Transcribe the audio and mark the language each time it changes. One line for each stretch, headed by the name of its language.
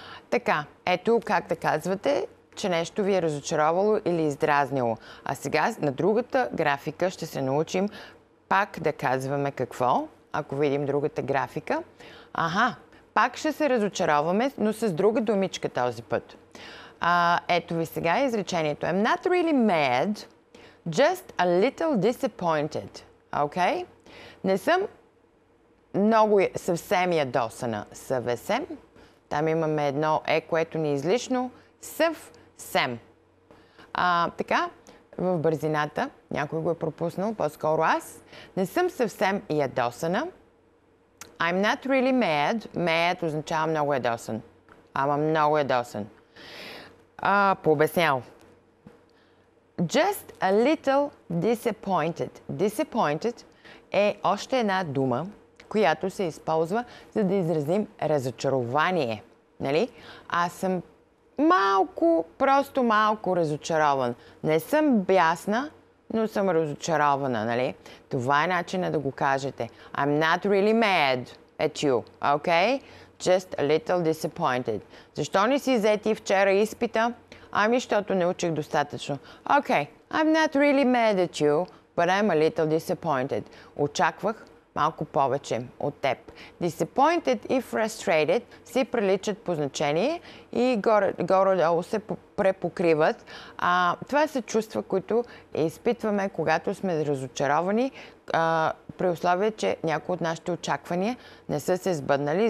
Bulgarian: Така, ето как да казвате, че нещо ви е разочаровало или издразнило. А сега на другата графика ще се научим пак да казваме какво, ако видим другата графика. Аха, пак ще се разочароваме, но с друга думичка този път. Ето ви сега изречението.
English: I'm not really mad, just a little disappointed. Okay?
Bulgarian: Не съм много съвсем ядосана. Съвсем. Там имаме едно е, което ни е излишно. Съвсем. Така, в бързината, някой го е пропуснал, по-скоро аз, не съм съвсем ядосана.
English: I'm not really mad. Mad
Bulgarian: означава много ядосан. Ама много ядосан. Пообяснял.
English: Just a little disappointed.
Bulgarian: Disappointed е още една дума, която се използва, за да изразим разочарование. Нали? Аз съм малко, просто малко разочарован. Не съм бясна, но съм разочарована, нали? Това е начинът да го кажете.
English: I'm not really mad at you, okay? Just a little disappointed.
Bulgarian: Защо не си взети вчера изпита? Ами, защото не учих достатъчно.
English: Okay, I'm not really mad at you, but I'm a little disappointed.
Bulgarian: Очаквах малко повече от теб. Disappointed и frustrated си приличат по значение и горе-долу се препокриват. Това са чувства, които изпитваме, когато сме разочаровани, при условие, че някои от нашите очаквания не са се сбъднали.